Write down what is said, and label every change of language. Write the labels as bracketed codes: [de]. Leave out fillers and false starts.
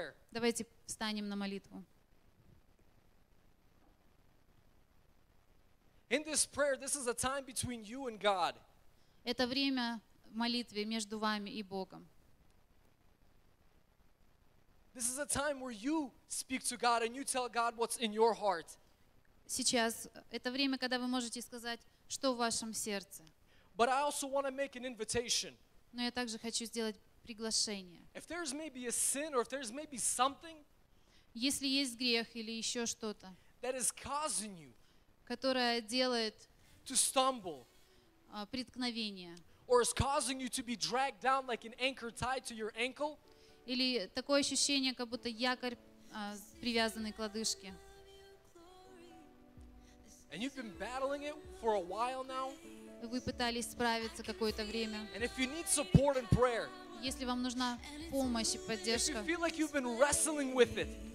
[ru] Давайте встанем на молитву. [en] In this prayer, this is a time between you and God. [ru] Это время молитвы между вами и Богом. [en] This is a time where you speak to God and you tell God what's in your heart. [ru] Сейчас это время, когда вы можете сказать, что в вашем сердце. [en] But I also want to make an invitation. [ru] Но я также хочу сделать приглашение. [en] If there's maybe a sin or if there's maybe something, [ru] если есть грех или еще что-то, [en] that is causing you [ru] которая делает [en] to stumble, [ru] преткновение [en] or is causing you to be dragged down like an anchor tied to your ankle, [ru] или такое ощущение, как будто якорь привязанный к лодыжке, [en] and you've been battling it for a while now, [ru] вы пытались справиться какое-то время, [en] and if you need support and prayer, [ru] если вам нужна помощь и поддержка, [en] if you feel like you've been wrestling with it,